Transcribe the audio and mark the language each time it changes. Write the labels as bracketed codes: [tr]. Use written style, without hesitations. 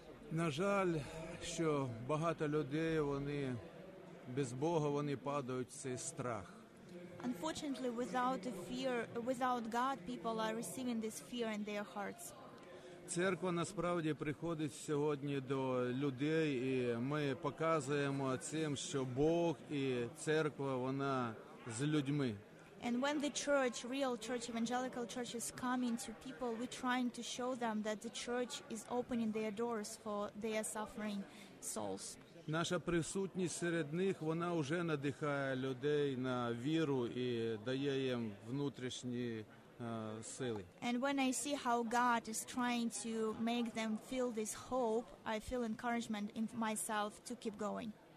[uk] На жаль, що багато людей, вони без Бога, вони падають в цей страх. [en] Unfortunately, without a fear, without God, people are receiving this fear in their hearts. [uk] Церква насправді приходить сьогодні до людей, і ми показуємо цим, що Бог і церква, вона з людьми. [en] And when the church, real church, evangelical church is coming to people, we're trying to show them that the church is opening their doors for their suffering souls. [uk] Наша присутність серед них, вона вже надихає людей на віру і дає їм внутрішні сили. [en] And when I see how God is trying to make them feel this hope, I feel encouragement in myself to keep going.